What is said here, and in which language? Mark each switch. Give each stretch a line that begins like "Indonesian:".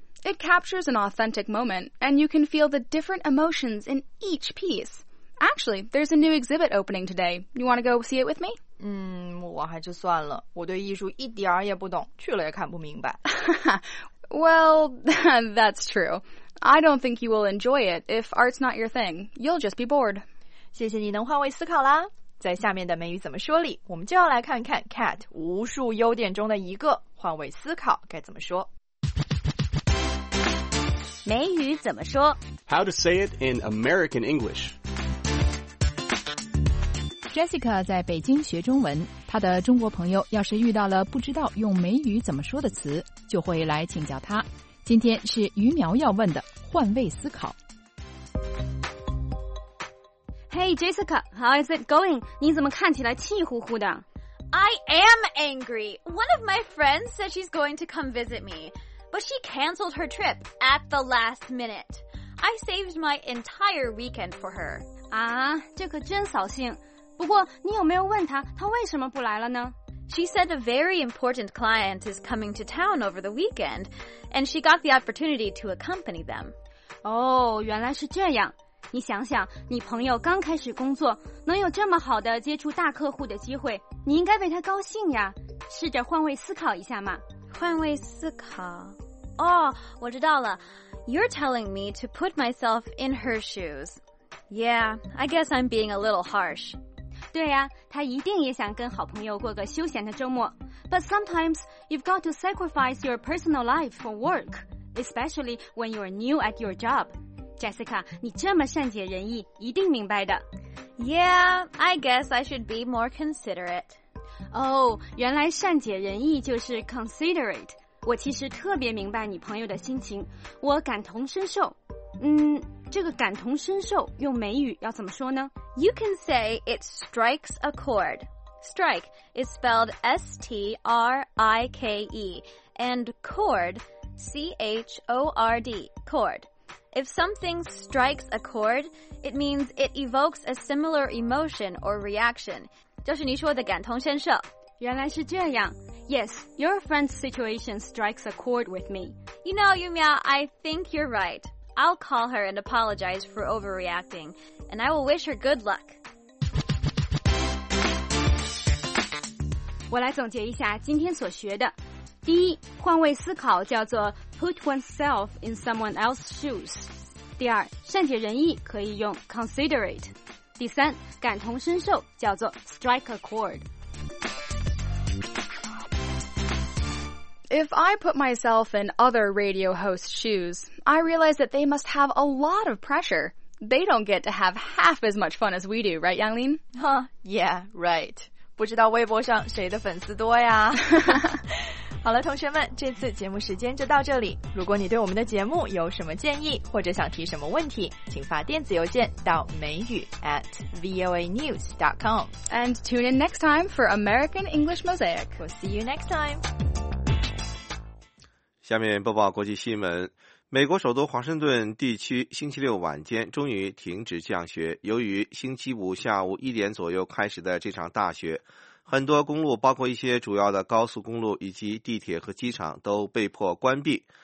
English: It captures an authentic moment, and you can feel the different emotions in each piece. Actually, there's a new exhibit opening today. You want to go see it with me?
Chinese: 我还是算了，我对艺术一点也不懂，去了也看不明白。
English: Well, that's true. I don't think you will enjoy it if art's not your thing. You'll just be bored.
Chinese: 谢谢你能换位思考啦。在下面的美语怎么说里，我们就要来看看 Kat 无数优点中的一个，换位思考该怎么说。美语怎么说？
English: How to say it in American English.
Chinese: Jessica 在北京学中文，她的中国朋友要是遇到了不知道用美语怎么说的词，就会来请教她。今天是于苗要问的换位思考。
English: Hey, Jessica, how is it going?
Chinese: 你怎么看起来气呼呼的?
English: I am angry. One of my friends said she's going to come visit me, but she canceled her trip at the last minute. I saved my entire weekend for her.
Chinese: 这可真扫兴。不过你有没有问她她为什么不来了呢?
English: She said a very important client is coming to town over the weekend, and she got the opportunity to accompany them.
Chinese: 原来是这样。你想想，你朋友刚开始工作，能有这么好的接触大客户的机会，你应该为他高兴呀。试着换位思考一下嘛。换位思考？我知道了。
English: You're telling me to put myself in her shoes. Yeah, I guess I'm being a little harsh.
Chinese: 对呀，他一定也想跟好朋友过个休闲的周末。
English: But sometimes you've got to sacrifice your personal life for work, especially when you're new at your job.
Chinese: Jessica, 你这么善解人意，一定明白的。
English: Yeah, I guess I should be more considerate.
Chinese: 原来善解人意就是 considerate。我其实特别明白你朋友的心情，我感同身受。这个感同身受用美语要怎么说呢？
English: You can say it strikes a chord. Strike is spelled S-T-R-I-K-E, and chord, C-H-O-R-D, chord. If something strikes a chord, it means it evokes a similar emotion or reaction.
Chinese: 就是你说的感同身受。原来是这样。
English: Yes, your friend's situation strikes a chord with me. You know, Yumiao, I think you're right. I'll call her and apologize for overreacting, and I will wish her good luck.
Chinese: 我来总结一下今天所学的。第一，换位思考叫做
English: put oneself in someone else's shoes.
Chinese: 第二，善解人意可以用 considerate. 第三，感同身受叫做
English: strike a chord. If I put myself in other radio hosts' shoes, I realize that they must have a lot of pressure. They don't get to have half as much fun as we do, right, Yanglin? Yeah, right.
Chinese: 不知道微博上谁的粉丝多呀？好了，同学们，这次节目时间就到这里。如果你对我们的节目有什么建议，或者想提什么问题，请发电子邮件到美语 @voanews.com.
English: And tune in next time for American English Mosaic. We'll see you next time.
Chinese: 下面播报国际新闻。美国首都华盛顿地区星期六晚间终于停止降雪，由于星期五下午一点左右开始的这场大雪，很多公路包括一些主要的高速公路以及地铁和机场都被迫关闭。